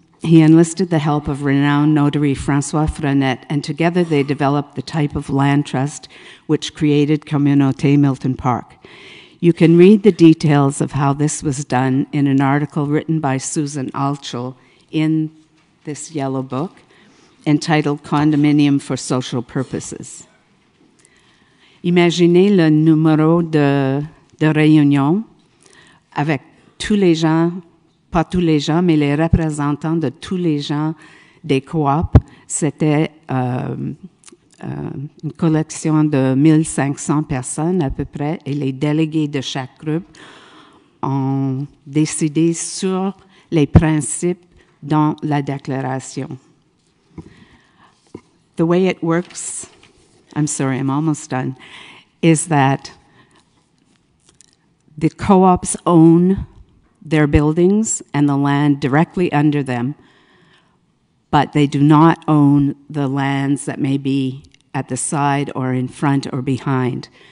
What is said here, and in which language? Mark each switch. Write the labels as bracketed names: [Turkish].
[English] He enlisted the help of renowned notary François Frenette, and together they developed the type of land trust which created Communauté Milton Parc. You can read the details of how this was done in an article written by Susan Alchel in this yellow book entitled Condominium for Social Purposes. [French] Imaginez le numéro de réunion avec tous les gens, pas tous les gens, mais les représentants de tous les gens des coop. C'était une collection de 1500 personnes à peu près, et les délégués de chaque groupe ont décidé sur les principes dans la déclaration. [English] The way it works, I'm sorry, I'm almost done, is that the co-ops own their buildings and the land directly under them, but they do not own the lands that may be at the side or in front or behind.